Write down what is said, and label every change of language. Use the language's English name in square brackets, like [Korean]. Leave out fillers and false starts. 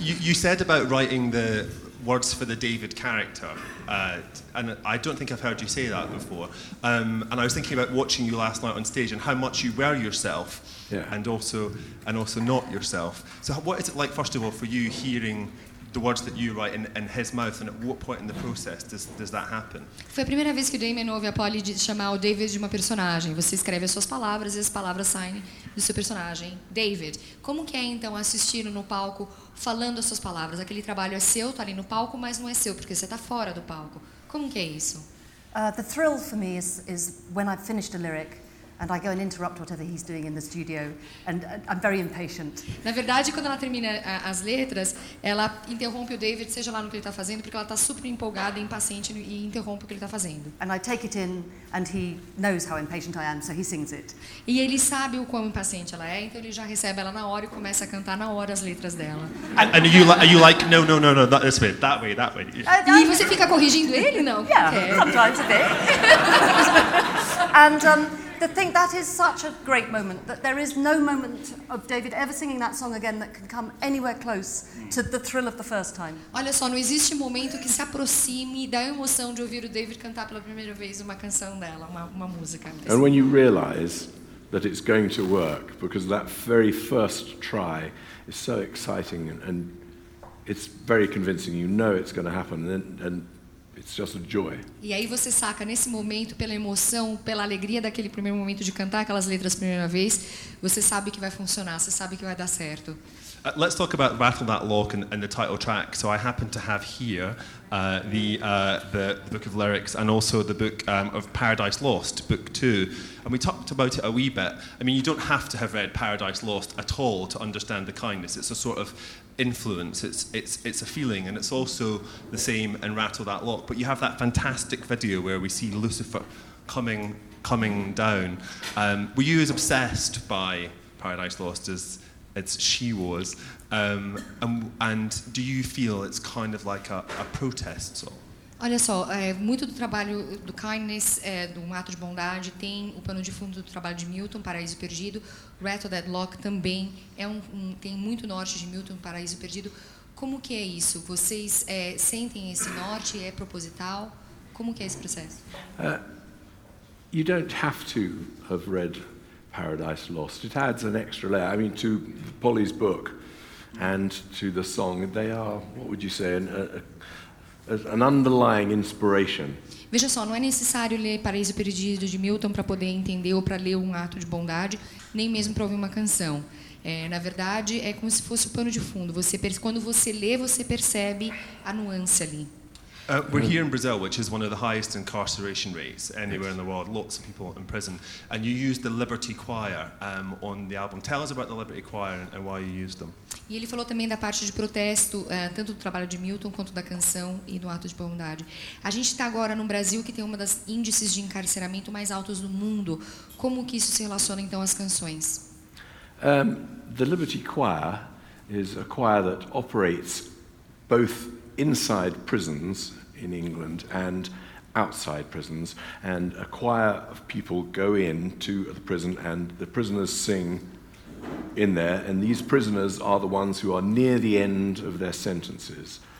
[English] You said about writing the words for the David character, and I don't think I've heard you say that before. And I was thinking about watching you last night on stage and how much you were yourself, yeah. and also not yourself. So what is it like, first of all, for you hearing the words that you write in his mouth, and at what point in the process does that happen? [Portuguese] Foi a primeira vez que o Damien ouve a Polly chamar o David de uma personagem. Você escreve as suas palavras e as palavras saem do seu personagem, David. Como que é então assistir no palco falando as suas palavras? Aquele trabalho é seu, tá ali no palco, mas não é seu porque você tá fora do palco. Como que é isso? [English] The thrill for me is when I've finished a lyric and I go and interrupt whatever he's doing in the studio, and I'm very impatient. [Portuguese] Na verdade, quando ela termina as letras, ela interrompe o David, seja lá no que ele está fazendo, porque ela está super empolgada, impaciente, e interrompe o que ele está fazendo. [English] And I take it in, and he knows how impatient I am, so he sings it. [Portuguese] E ele sabe o quão impaciente ela é, então ele já recebe ela na hora e começa a cantar na hora as letras dela. [English] And are you like, no, this way, that way. [Portuguese] E você fica corrigindo ele, não? [English] Yeah, sometimes a bit. And the thing that is such a great moment, that there is no moment of David ever singing that song again that can come anywhere close to the thrill of the first time. [Portuguese] Olha só, não existe momento que se aproxime da emoção de ouvir o David cantar pela primeira vez uma canção dela, uma música. [English] And when you realize that it's going to work, because that very first try is so exciting and it's very convincing, you know it's going to happen, and it's just a joy. [Portuguese] E aí você saca nesse momento, pela emoção, pela alegria daquele primeiro momento de cantar aquelas letras pela primeira vez, você sabe que vai funcionar, você sabe que vai dar certo. [English] Let's talk about Rattle That Lock and the title track. So I happen to have here the book of lyrics and also the book of Paradise Lost, book 2. And we talked about it a wee bit. I mean, you don't have to have read Paradise Lost at all to understand the kindness. It's a sort of influence. It's a feeling, and it's also the same in Rattle That Lock. But you have that fantastic video where we see Lucifer coming down. Were you as obsessed by Paradise Lost as she was, and do you feel it's kind of like a protest song? [Portuguese] Olha só, muito do trabalho do Kindness, do Um Ato de Bondade, tem o pano de fundo do trabalho de Milton, Paraíso Perdido. Rattle That Lock também tem muito norte de Milton, Paraíso Perdido. Como que é isso? Vocês sentem esse norte? É proposital? Como que é esse processo? [English] You don't have to have read Paradise Lost. It adds an extra layer. I mean, to Polly's book and to the song, they are, what would you say, an underlying inspiration. [Portuguese] Veja só, não é necessário ler Paraíso Perdido de Milton para poder entender ou para ler Um Ato de Bondade, nem mesmo para ouvir uma canção. Na verdade, é como se fosse o pano de fundo. Quando você lê, você percebe a nuance ali. [English] We're here in Brazil, which is one of the highest incarceration rates anywhere in the world. Lots of people in prison. And you used the Liberty Choir on the album. Tell us about the Liberty Choir and why you used them. [Portuguese] E ele falou também da parte de protesto, tanto do trabalho de Milton quanto da canção e do Ato de Bondade. A gente está agora no Brasil, que tem uma das índices de encarceramento mais altos do mundo. Como que isso se relaciona, então, às canções? [English] The Liberty Choir is a choir that operates both inside prisons in England and outside prisons, and a choir of people go in to the prison and the prisoners sing in there, and these prisoners are the ones who are near the end of their sentences.